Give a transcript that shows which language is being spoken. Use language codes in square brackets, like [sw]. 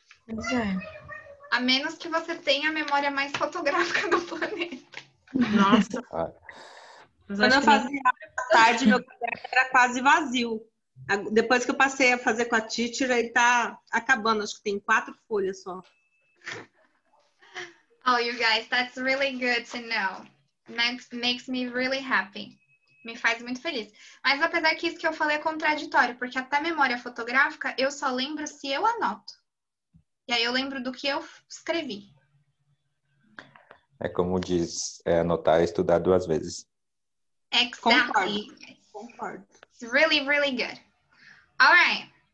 [pt] É. A menos que você tenha a memória mais fotográfica do planeta. Nossa. Quando eu fazia à tarde, meu caderno era quase vazio. Depois que eu passei a fazer com a teacher, aí tá acabando. Acho que tem 4 folhas só. [en] Oh, you guys, that's really good to know. Makes me really happy. [pt] Me faz muito feliz. Mas apesar que isso que eu falei é contraditório, porque até memória fotográfica eu só lembro se eu anoto. E aí eu lembro do que eu escrevi. É como diz, anotar e estudar duas vezes. [en] Exactly. [pt] Concordo. [en] It's really, really good. All right.